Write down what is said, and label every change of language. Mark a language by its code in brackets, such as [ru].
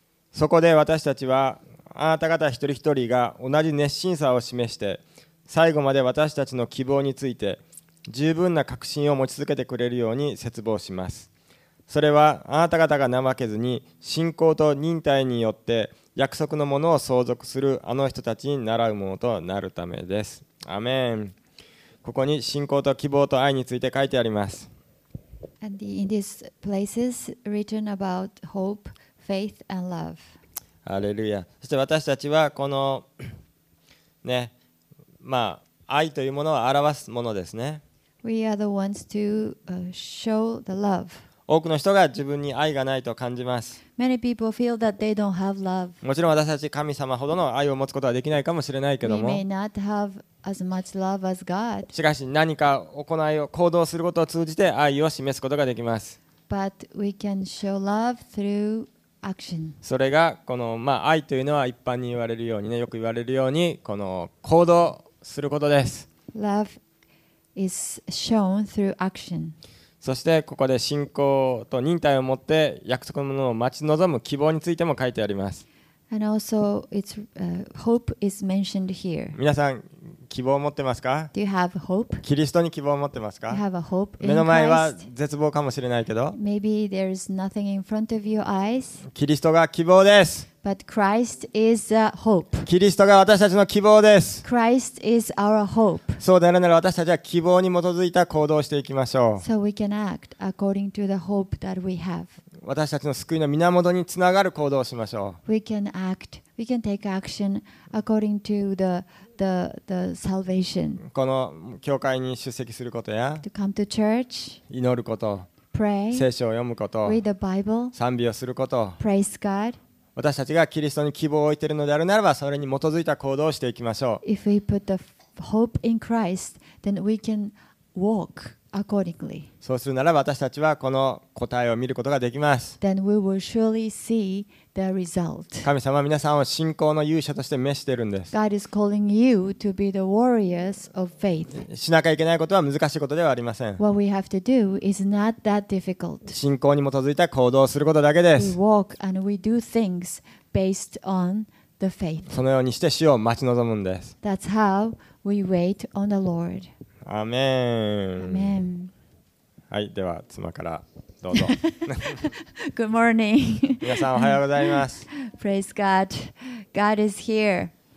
[ja] そこで私たちは、あなた方一人一人が同じ熱心さを示して、最後まで私たちの希望について十分な確信を持ち続けてくれるように切望します。それはあなた方が怠けずに信仰と忍耐によって約束のものを相続するあの人たちに習うものとなるためです。アメン。ここに信仰と希望と愛について書いてあります。 [en] And in these places written about hope, faith and love. [ja] ハレルヤ。そして私たちはこの、ね、愛というものを表すものですね。 [en] We are the ones to show the love. [ja] 多くの人が自分に愛がないと感じます。 [en] Many people feel that they don't have love. [ja] もちろん私たち神様ほどの愛を持つことはできないかもしれないけども。 [en] We may not have as much love as God. [ja] しかし何か行いを行動することを通じて愛を示すことができます。 [en] But we can show love through action. [ja] それがこの愛というのは一般に言われるようにね、よく言われるようにこの行動することです。 [en] Love is shown through action. [ja] そしてここで信仰と忍耐を持って約束のものを待ち望む希望についても書いてあります。 [en] And also it's, hope is mentioned here. [ja] 皆さん希望を持ってますか？ [en] Do you have hope? [ja] キリストに希望を持ってますか？ [en] Do you have a hope in Christ? [ja] 目の前は絶望かもしれないけど、 [en] Maybe there is nothing in front of your eyes. [ja] キリストが希望です。 [en] But Christ is the hope. [ja] キリストが私たちの希望です。 [en] Christ is our hope. [ja] そうであるなら私たちは希望に基づいた行動をしていきましょう。 [en] So we can act according to the hope that we have. [ja] 私たちの救いの源につながる行動をしましょう。 [en] We can act, we can take action according to the salvation. [ja] この教会に出席することや [en] to come to church, [ja] 祈ること、 [en] pray, [ja] 聖書を読むこと、 [en] read the Bible, [ja] 賛美をすること、 [en] praise God. [ja] 私たちがキリストに希望を置いているのであるならば、それに基づいた行動をしていきましょう。 [en] If we put the hope in Christ, then we can walk accordingly. [ja] そうするなら私たちはこの答えを見ることができます。 [en] Then we will surely see the result. [ja] 神様は皆さんを信仰の勇者として召しているんです。 [en] God is calling you to be the warriors of faith. [ja] しなきゃいけないことは難しいことではありません。 [en] What we have to do is not that difficult. [ja] 信仰に基づいた行動をすることだけです。 [en] We walk and we do things based on the faith. [ja] そのようにして死を待ち望むんです。 [en] That's how we wait on the Lord. [ja] アーメン。はい、では妻からどうぞ。 [en] Good morning. [ja] 皆さんおはようございます。 [en] Praise God. God is here.